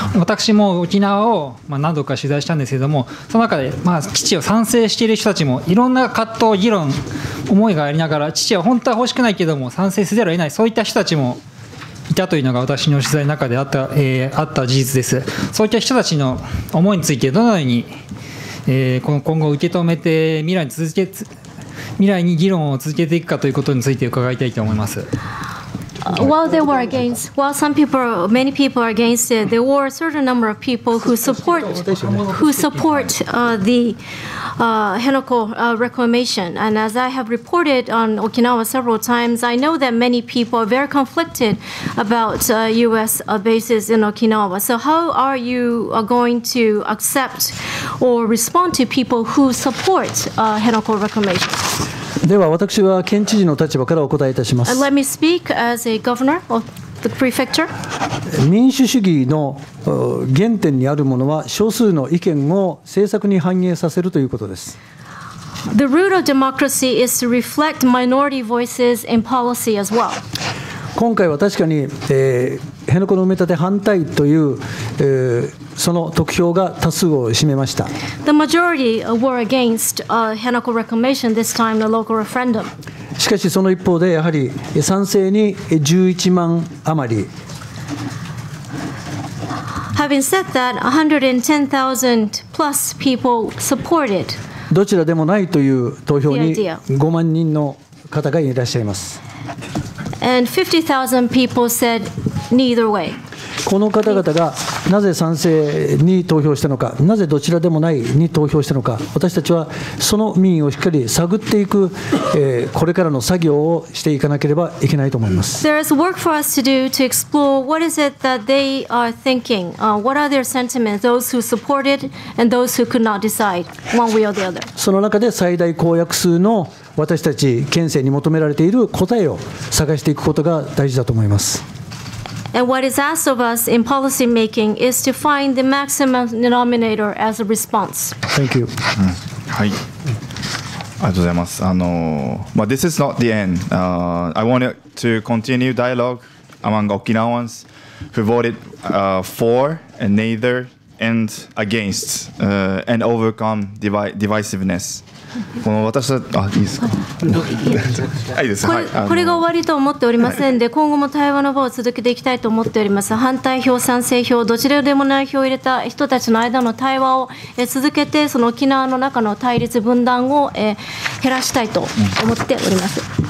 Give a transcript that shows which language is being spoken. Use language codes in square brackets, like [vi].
[ja] 私も沖縄を何度か取材したんですけども、その中で、まあ、基地を賛成している人たちもいろんな葛藤、議論、思いがありながら、基地は本当は欲しくないけども賛成せざるを得ない、そういった人たちもいたというのが私の取材の中であった、あった事実です。そういった人たちの思いについてどのように、今後受け止めて未来に議論を続けていくかということについて伺いたいと思います。 [en] While they were against, while some people, many people are against it, there were a certain number of people who support the Henoko reclamation. And as I have reported on Okinawa several times, I know that many people are very conflicted about U.S. bases in Okinawa. So how are you going to accept or respond to people who support Henoko reclamation? [ja] では私は県知事の立場からお答えいたします。 [en] Let me speak as a governor of the prefecture. [ja] 民主主義の原点にあるものは少数の意見を政策に反映させるということです。 [en] The root of democracy is to reflect minority voices in policy as well. [ja] 今回は確かに、辺野古の埋め立て反対という、その得票が多数を占めました。 [en] The majority were against Henoko reclamation this time, the local referendum. [ja] しかしその一方でやはり賛成に11万余り。 [en] Having said that, 110,000 plus people supported. [ja] どちらでもないという投票に5万人の方がいらっしゃいます。 [en] And 50,000 people said neither way. [ja] この方々がなぜ賛成に投票したのか、なぜどちらでもないに投票したのか、私たちはその民意をしっかり探っていく、これからの作業をしていかなければいけないと思います。 [en] There is work for us to do to explore what is it that they are thinking、what are their sentiments, those who supported and those who could not decide one way or the other。 [ja] その中で最大公約数の私たち県政に求められている答えを探していくことが大事だと思います。 [en] And what is asked of us in policy making is to find the maximum denominator as a response. Thank you.、 [ja] はい、ありがとうございます。 [en] But this is not the end.、I want to continue dialogue among Okinawans who voted、for and neither and against、and overcome divisiveness. [ja] この私はあいいですか。はいです。これが終わりと思っておりませんで、今後も対話の場を続けていきたいと思っております。反対票、賛成票、どちらでもない票を入れた人たちの間の対話を続けて、その沖縄の中の対立分断を減らしたいと思っております。